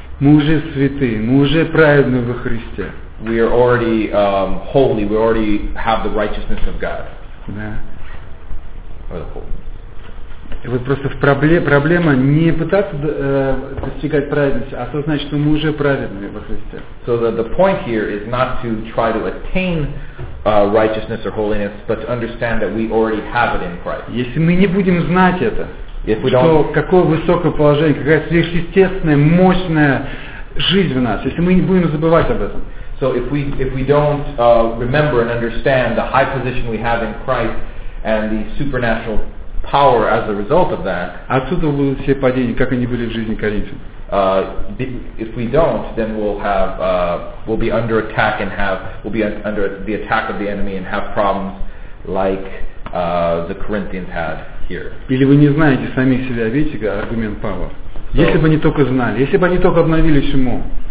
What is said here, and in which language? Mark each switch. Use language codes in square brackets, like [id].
[ru] Мы уже святые, мы уже праведны во Христе. [en] We are already holy. We already have the righteousness of God. [ru] Да. И вот просто в проблема не пытаться достигать праведности, а осознать, что мы уже праведны во Христе. [en] So the point here is not to try to attain righteousness or holiness, but to understand that we already have it in Christ. [ru] Если мы не будем знать это, что какое высокое положение, какая сверхъестественная, мощная жизнь в нас, если мы не будем забывать об этом. [en] So if we don't remember and understand the high position we have in Christ and the supernatural power as a result of that. [ru] Отсюда будут все падения, как они были в жизни Коринфян. [en] If we don't, then we'll be under attack and we'll be under the attack of the enemy and have problems like the Corinthians had here. [ru] Или вы не знаете сами себя, видите, как аргумент Павла. Если бы они только знали, если бы они только обновились ему.